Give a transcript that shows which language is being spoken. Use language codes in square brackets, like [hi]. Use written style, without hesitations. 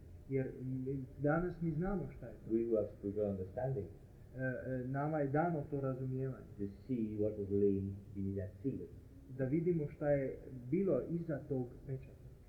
[hr] Jer danas mi znamo šta je to. [en] We have spiritual understanding. [hr] Nama je dano to razumijevanje. [en] To see what was laying beneath that seal. [hr] Da vidimo šta je bilo iza tog pečata.